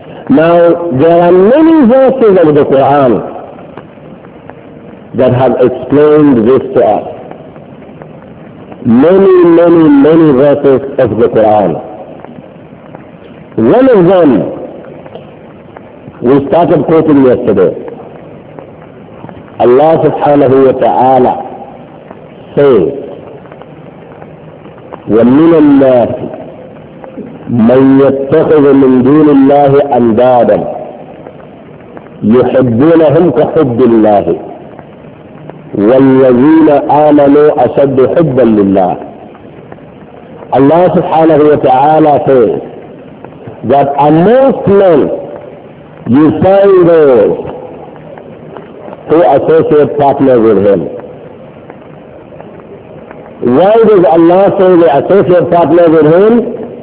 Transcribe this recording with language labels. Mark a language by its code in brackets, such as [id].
[en] Now, there are many verses of the Quran that have explained this to us. Many, many, many verses of the Quran. One of them, we started quoting yesterday. Allah subhanahu wa ta'ala says, [ar] وَمِنَ النَّاسِ مَنْ يَتَّخِذُ مِنْ دُونِ اللَّهِ أَنْدَادًا يُحِبُّونَهُمْ كَحُبِّ اللَّهِ وَالَّذِينَ آمَنُوا أَشَدُّ حُبًّا لِلَّهِ. [en] Allah subhanahu wa ta'ala says that amongst men you find those who associate partners with him. Why does Allah say they associate partners with him?